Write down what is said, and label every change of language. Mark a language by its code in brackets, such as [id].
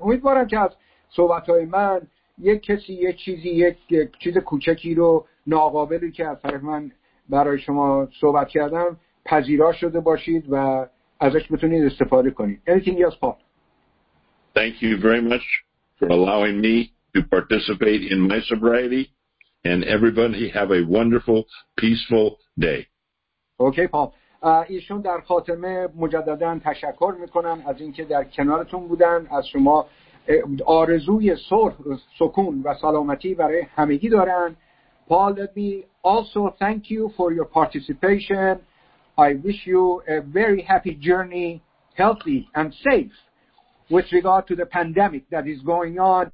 [fa] امیدوارم که از صحبت‌های من یک کسی، یک چیز کوچکی رو ناقابلی که از طرف من برای شما صحبت کردم پذیرا شده باشید و ازش بتونید استفاده کنید. [en] Anything else, Paul? Thank you very much for allowing me to participate in my sobriety, and everybody have a wonderful, peaceful day. Okay, Paul. [fa] ایشون در خاتمه مجدداً تشکر میکنم از اینکه در کنارتون بودن. از شما آرزوی صلح، سکون و سلامتی برای همگی دارن. [en] Paul, let me also thank you for your participation. I wish you a very happy journey, healthy and safe, with regard to the pandemic that is going on.